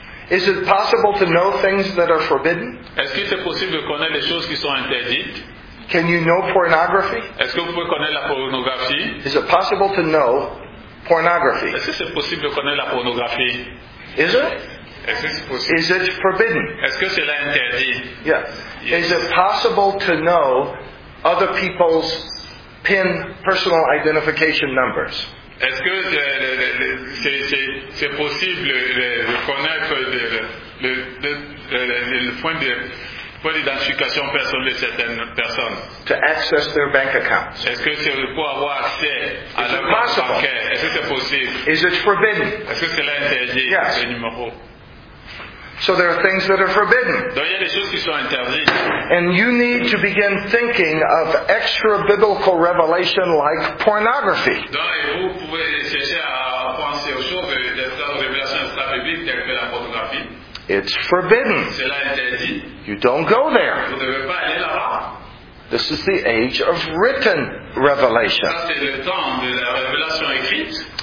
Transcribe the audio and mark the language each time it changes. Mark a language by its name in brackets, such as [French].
[English] Is it possible to know things that are forbidden? [French] Est-ce que c'est possible de connaître les choses qui sont interdites? [English] Can you know pornography? [French] Est-ce que vous pouvez connaître la pornographie? [English] Is it possible to know pornography? [French] Est-ce que c'est possible de connaître la pornographie? [English] Is it? [French] Est-ce que c'est possible? [English] Is it forbidden? [French] Est-ce que cela est interdit? [English] Yes. Is it possible to know other people's PIN, personal identification numbers? [French] Est-ce que c'est possible de connaître le point d'identification personnel de certaines personnes? [English] To access their bank accounts. [French] Est-ce que c'est pour avoir accès à leur banque? Est-ce que c'est possible? [English] Is it forbidden? [French] Est-ce que cela est interdit? [English] Yes. [French] Le numéro. [English] So there are things that are forbidden. [French] Donc, il y a des choses qui sont interdites. [English] And you need to begin thinking of extra biblical revelation like pornography. [French] Donc, et vous pouvez chercher à penser aux choses de la révélation extra-biblique telle que la pornographie. [English] It's forbidden. [French] Cela est interdit. [English] You don't go there. [French] Vous ne devez pas aller là-bas. [English] This is the age of written revelation. [French] Ça, c'est le temps de la révélation écrite.